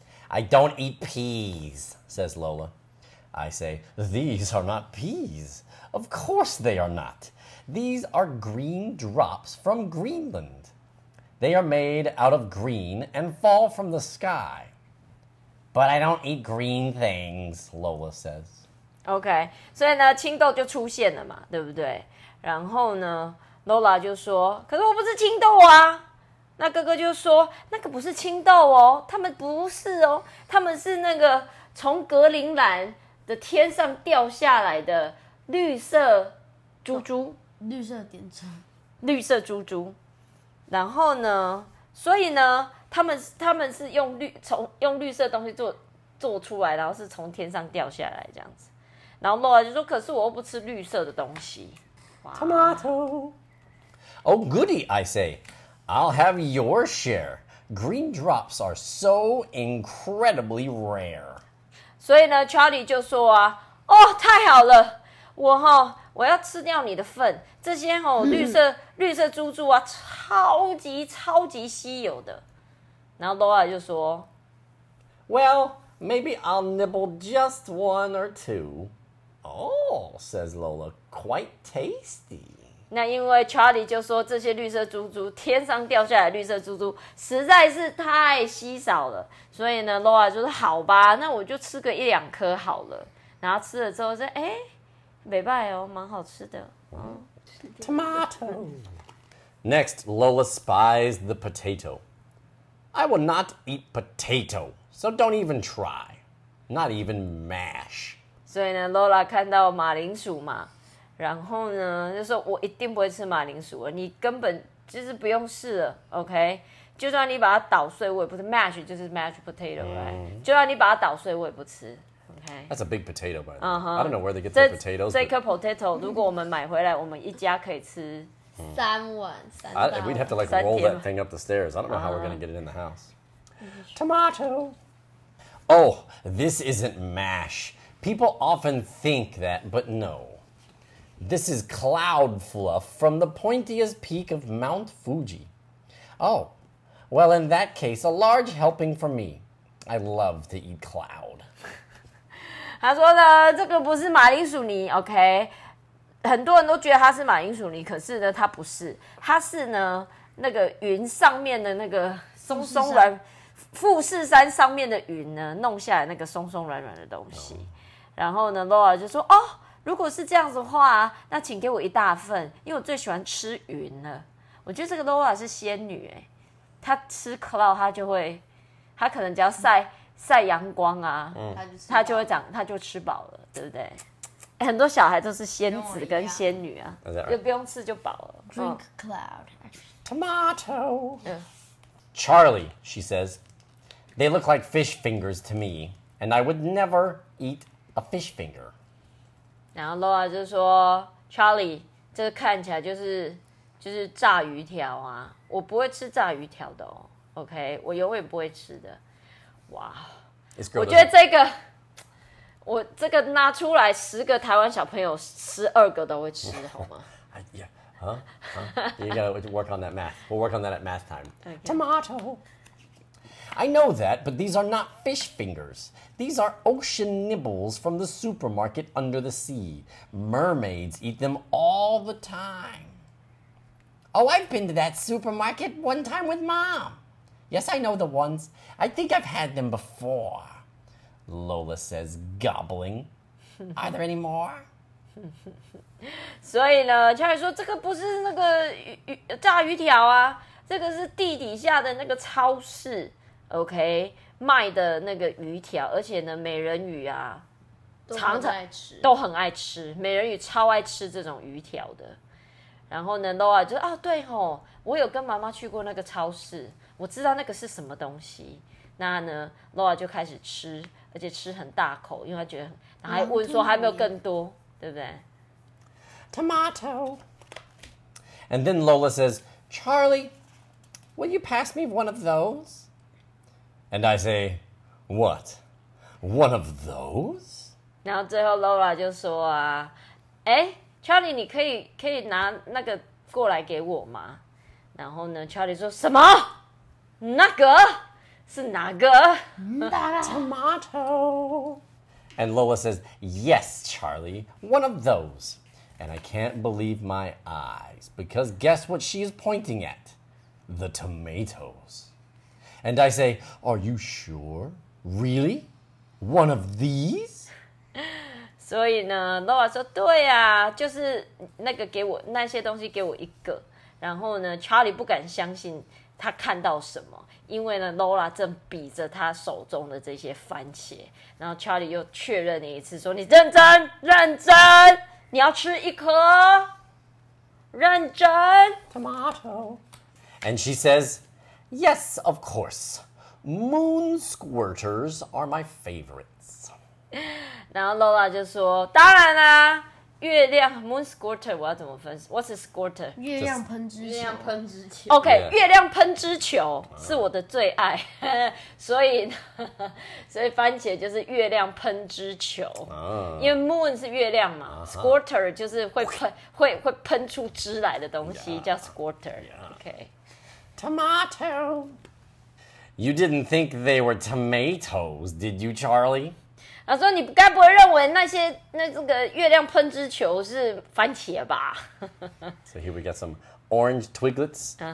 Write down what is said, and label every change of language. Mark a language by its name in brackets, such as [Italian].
[English] I don't eat peas, says Lola. I say, these are not peas. Of course they are not. These are green drops from Greenland. They are made out of green and fall from the sky. But I don't eat green things, Lola says. [Chinese] Okay, 所以呢，青豆就出现了嘛，对不对？然后呢 ，Lola 就说，可是我不是青豆啊。那哥哥就说那个不是青豆哦，他们不是哦，他们是那个从格陵兰的天上掉下来的绿色珠珠、哦、绿色点珠绿色珠珠。然后呢，所以呢，他们是用绿色东西 做出来，然后是从天上掉下来这样子。然后洛拉就说，可是我又不吃绿色的东西。 [English] 哇 Tomato. Oh goody, I sayI'll have your share. Green drops are so incredibly rare. [Chinese] 所以呢 ，Charlie 就说啊，哦，太好了，我哈、哦、我要吃掉你的份。这些哈、哦、绿色珠珠啊，超级超级稀有的。然后 Laura 就说 [English] ，Well, maybe I'll nibble just one or two. Oh, says Lola, quite tasty. [Chinese] 那因为 Charlie 就说这些绿色珠珠天上掉下来的绿色珠珠实在是太稀少了，所以呢 Laura 就说好吧，那我就吃个一两颗好了。然后吃了之后说，哎，没办法哦，蛮好吃的、嗯、 [English] Tomato. Next, Lola spies the potato. I will not eat potato, so don't even try. Not even mash. [Chinese] 所以呢 Lola 看到马铃薯嘛，然后呢，就说我一定不会吃马铃薯了，你根本就是不用试了 ，OK？就算你把它捣碎，我也不吃 ，mash 就是 mashed potato，、mm. [English] right？ [Chinese] 就算你把它捣碎，我也不吃 ，OK？ [English] That's a big potato, by the way. I don't know where they get the potatoes. [Chinese] 这颗 potato 如果我们买回来，我们一家可以吃三碗。 [English] We'd have to like roll that thing up the stairs. I don't know how we're going to get it in the house. Tomato. Oh, this isn't mash. People often think that, but no. This is cloud fluff from the pointiest peak of Mount Fuji. Oh, well, in that case, a large helping for me. I love to eat cloud. [Chinese] 他说呢，这个不是马铃薯泥 ，OK？ 很多人都觉得它是马铃薯泥，可是呢，它不是，它是呢那个云上面的那个松松软富士山上面的云呢弄下来那个松松软软的东西、哦、然后呢 Laura 就说哦如果是这样子的话那请给我一大份因为我最喜欢吃云了我觉得这个 Laura 是仙女耶、欸、她吃 cloud 她就会她可能只要晒、嗯、晒阳光啊、嗯、她就会长她就吃饱了对不对很多小孩都是仙子跟仙女啊又不用吃就饱了 [English] Drink cloud、 oh. Tomato、Charlie she says They look like fish fingers to me And I would never eat a fish finger [Chinese] 然后 Laura 就说 Charlie 这看起来就是炸鱼条啊我不会吃炸鱼条的哦 OK 我永远不会吃的哇、 [English] wow. [Chinese] 我觉得这个我这个拿出来十个台湾小朋友十二个都会吃好吗 [English] yeah. huh? Huh? You gotta work on that math. We'll work on that at math time.、Okay. Tomato. I know that, but these are not fish fingers. These are ocean nibbles from the supermarket under the sea. Mermaids eat them all the time. Oh, I've been to that supermarket one time with Mom. Yes, I know the ones. I think I've had them before. Lola says, gobbling. Are there any more? [Chinese] 所以呢 Charlie 说这个不是那个炸鱼条啊这个是地底下的那个超市 OK 卖的那个鱼条而且呢美人鱼啊常常爱吃都很爱吃美人鱼超爱吃这种鱼条的然后呢 Lola 就啊对吼我有跟妈妈去过那个超市我知道那个是什么东西那呢 Lola 就开始吃而且吃很大口因为他觉得然后还问说还没有更多对不对 [English] Tomato And then Lola says Charlie Will you pass me one of those? And I say What? One of those? [Chinese] 然后最后 Lola 就说啊诶 Charlie 你可以拿那个过来给我吗然后呢 Charlie 说什么那个是哪个 [English] tomato and Lola says yes Charlie one of those and I can't believe my eyes because guess what she is pointing at the tomatoes and I say are you sure really one of these [Chinese] 所以呢 Lola 说对啊就是那个给我那些东西给我一个然后呢 Charlie 不敢相信他看到什么因为呢 Lola 正比着他手中的这些番茄然后 Charlie 又确认了一次说你认真认真你要吃一颗认真 [English] Tomato And she says Yes of course Moon squirters are my favorites [Chinese] 然后 Lola 就说当然啦、啊月亮 moon squirter 我要怎么分析 [English] What's a squirter [Chinese] 月亮喷之球月亮喷之球 OK、yeah. 月亮喷之球是我的最爱所以番茄就是月亮喷之球、因为 moon 是月亮嘛、squirter 就是会喷出汁来的东西、yeah. 叫 squirter、yeah. OK [English] Tomato You didn't think they were tomatoes did you Charlie? [Chinese] 他说你该不会认为那些那个月亮喷之球是番茄吧 [English] So here we got some orange twiglets,、uh-huh.